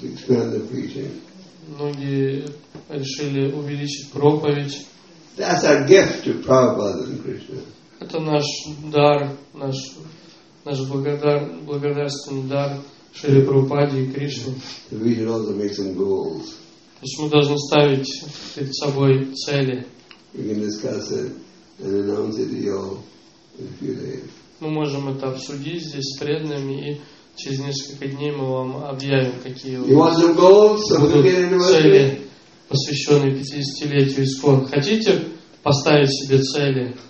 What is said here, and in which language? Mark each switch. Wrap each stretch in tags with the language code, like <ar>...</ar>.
<ru>Многие решили увеличить проповедь.</ru> <en>That's our gift to Prabhupada and Krishna.</en> <ru>Это наш дар, наш благодарственный дар Шри Прабхупаде и Кришне.</ru> <en>We should also make some goals.</en> <ru>То есть мы должны ставить перед собой цели.</ru> <en>We can discuss it and announce it to you in a few days.</en> <ru>Мы можем это обсудить здесь с преданными и через несколько дней мы вам объявим, какие будут цели, посвященные 50-летию ИСКОН. Хотите поставить себе цели?</ru>